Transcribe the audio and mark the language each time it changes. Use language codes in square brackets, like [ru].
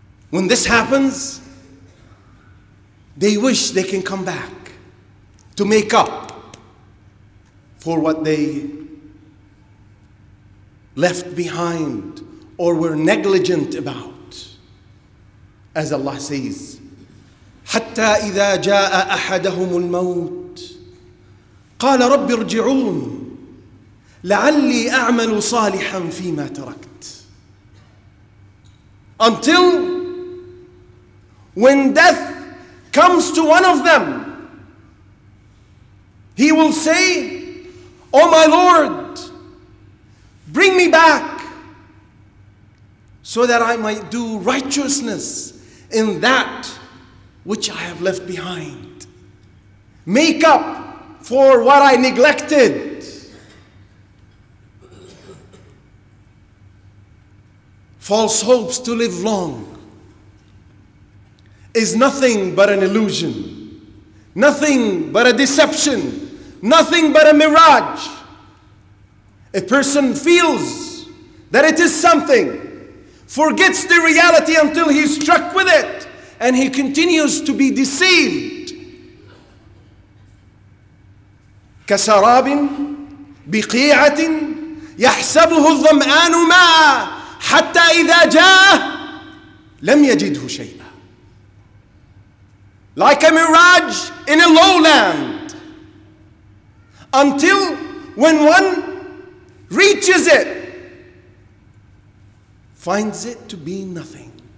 [en] When this happens, they wish they can come back to make up for what they left behind or were negligent about. As Allah says, [ar] حَتَّى إِذَا جَاءَ أَحَدَهُمُ الْمَوْتِ قَالَ رَبِّ ارْجِعُونَ لَعَلِّي أَعْمَلُ صَالِحًا فِي مَا تَرَكْتِ. [en] Until when death comes to one of them, he will say, oh my Lord, bring me back so that I might do righteousness in that which I have left behind. Make up for what I neglected. False hopes to live long is nothing but an illusion, nothing but a deception, nothing but a mirage. A person feels that it is something, forgets the reality until he's struck with it, and he continues to be deceived. [ar] كسراب بقيعة يحسبه الظمآن ماء حتى إذا جاءه لم يجده شيئا. [en] Like a mirage in a lowland, until when one reaches it, finds it to be nothing.